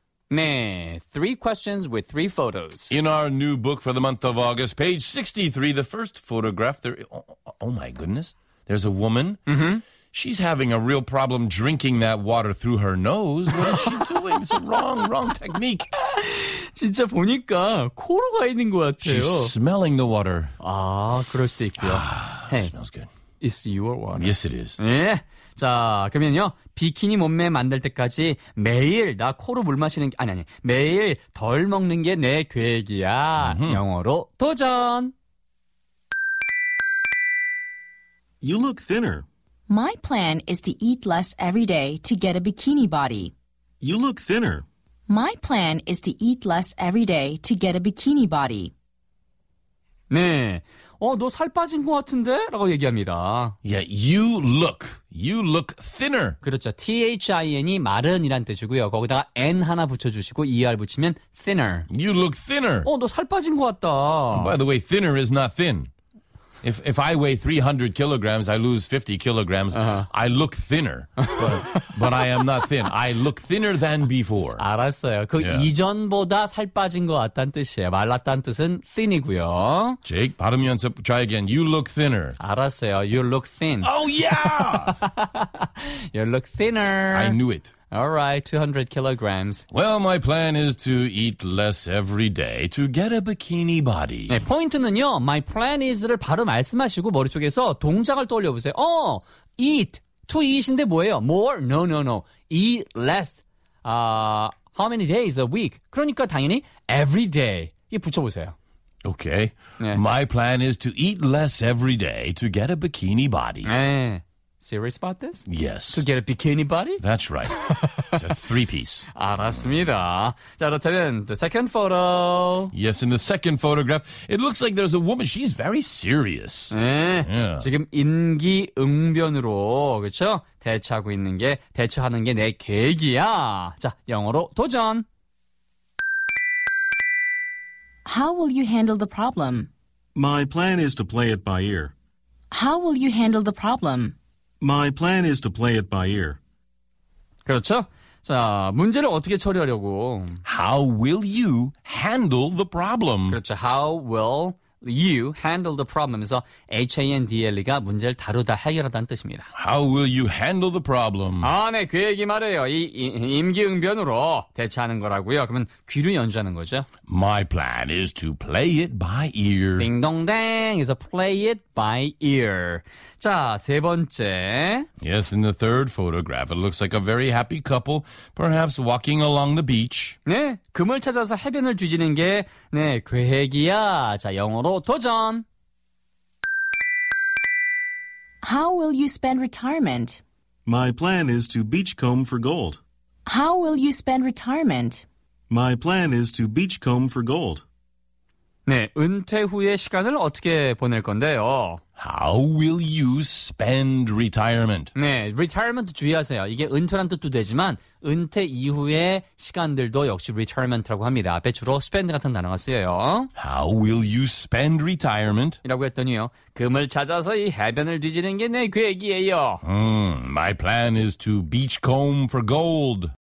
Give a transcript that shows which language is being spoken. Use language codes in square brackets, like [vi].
[en] Nah, three questions with three photos. In our new book for the month of August, page 63, the first photograph, there. Oh my goodness. There's a woman. Mm-hmm. She's having a real problem drinking that water through her nose. What is she doing? It's a wrong technique. [ko] 진짜 보니까 코로 가 있는 것 같아요. [en] She's smelling the water. [ko] 아, 그럴 수도 있고요. [en] Hey, smells good. It's your water. Yes, it is. [ko] 네. 자, 그러면요. 비키니 몸매 만들 때까지 매일 나 코로 물 마시는 게 아니. 매일 덜 먹는 게 내 계획이야. Mm-hmm. 영어로 도전. [en] You look thinner. My plan is to eat less every day to get a bikini body. You look thinner. My plan is to eat less every day to get a bikini body. [ko] 네. 너 살 빠진 것 같은데? 라고 얘기합니다. [en] Yeah, you look. You look thinner. [ko] 그렇죠. T-H-I-N이 마른이란 뜻이고요. 거기다가 N 하나 붙여주시고 ER 붙이면 thinner. [en] You look thinner. [ko] 너 살 빠진 것 같다. [en] By the way, thinner is not thin. If I weigh 300 kilograms, I lose 50 kilograms. Uh-huh. I look thinner, but I am not thin. I look thinner than before. [ko] 알았어요. 그 yeah. 이전보다 살 빠진 것 같다는 뜻이에요. 말랐다는 뜻은 thin이고요. Jake, 발음 연습, [en] try again. You look thinner. [ko] 알았어요. [en] You look thin. Oh, yeah! You look thinner. I knew it. All right, 200 kilograms. Well, my plan is to eat less every day to get a bikini body. [ko] 네, 포인트는요, [en] my plan is [ko] 를 바로 말씀하시고 머릿속에서 동작을 떠올려보세요. Eat, to eat인데 뭐예요? [en] More? No. Eat less. How many days a week? [ko] 그러니까 당연히 every day. 이게 붙여보세요. [en] Okay. 네. My plan is to eat less every day to get a bikini body. 네. Serious about this? Yes. To get a bikini body? That's right. It's a three-piece. [ko] 알았습니다. 자, 그렇다면 [en] the second photo. Yes, in the second photograph, it looks like there's a woman. She's very serious. 네. Yeah. [ko] 지금 임기응변으로, 그렇죠? 대처하는 게 내 계획이야. 자, 영어로 도전. [en] How will you handle the problem? My plan is to play it by ear. How will you handle the problem? My plan is to play it by ear. [ko] 그렇죠? 자, 문제를 어떻게 처리하려고? [en] How will you handle the problem? [ko] 그렇죠. [en] How will you handle the problem? [ko] 그래서 handle가 문제를 다루다, 해결하다는 뜻입니다. [en] How will you handle the problem? [ko] 아, 네. 그 얘기 말해요. 임기응변으로 대처하는 거라고요. 그러면 귀로 연주하는 거죠. [en] My plan is to play it by ear. [ko] 딩동댕. 그래서 [en] play it by ear. [ko] 자, 세 번째. [en] Yes, in the third photograph, it looks like a very happy couple, perhaps walking along the beach. [ko] 네, 금을 찾아서 해변을 뒤지는 게 네, 계획이야. 자, 영어로 도전. [en] How will you spend retirement? My plan is to beachcomb for gold. How will you spend retirement? My plan is to beachcomb for gold. [ko] 네, 은퇴 후의 시간을 어떻게 보낼 건데요? [en] How will you spend retirement? [ko] 네, retirement 주의하세요. 이게 은퇴란 뜻도 되지만 은퇴 이후의 시간들도 역시 retirement라고 합니다. 앞에 주로 spend 같은 단어가 쓰여요. [en] How will you spend retirement? [ko] 이라고 했더니요. 금을 찾아서 이 해변을 뒤지는 게 내 계획이에요. [en] My plan is to beachcomb for gold.